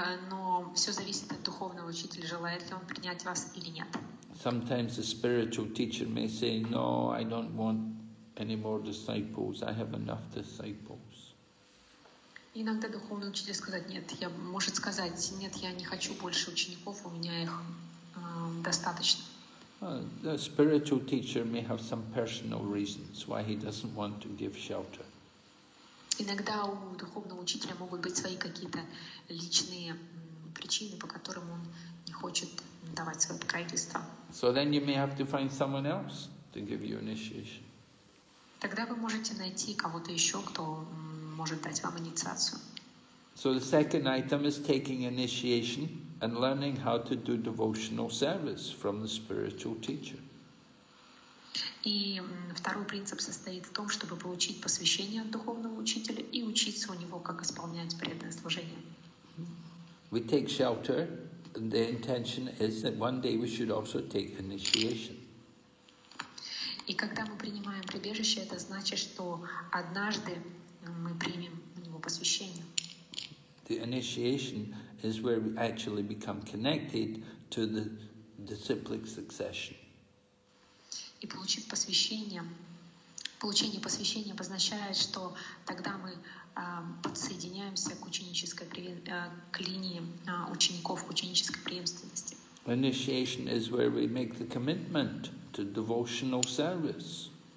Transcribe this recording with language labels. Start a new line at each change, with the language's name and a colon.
Russian: Но все зависит от духовного учителя, желает ли он принять вас или нет.
English: Sometimes the spiritual teacher may say, "No, I don't want any more disciples. I have enough disciples."
Russian: Иногда духовный учитель сказать нет, я может сказать нет, я не хочу больше учеников, у меня их достаточно.
English: The spiritual teacher may have some personal reasons why he doesn't want to give shelter.
Russian: Иногда у духовного учителя могут быть свои какие-то личные причины, по которым он не хочет давать свое покровительство.
English: So then you may have to find someone else to give you initiation.
Russian: Тогда вы можете найти кого-то еще, кто может дать вам инициацию.
English: So the second item is taking initiation and learning how to do devotional service from the spiritual teacher.
Russian: И второй принцип состоит в том, чтобы получить посвящение от духовного учителя и учиться у него, как исполнять преданное служение.
English: We take shelter, and the intention is that one day we should also take initiation.
Russian: И когда мы принимаем прибежище, это значит, что однажды мы примем у него посвящение.
English: The initiation is where we actually become connected to the disciplic succession.
Russian: И получить посвящение. Получение посвящения обозначает, что тогда мы подсоединяемся к ученической к линии учеников, к ученической преемственности.
English: Initiation is where we make the commitment to devotional service.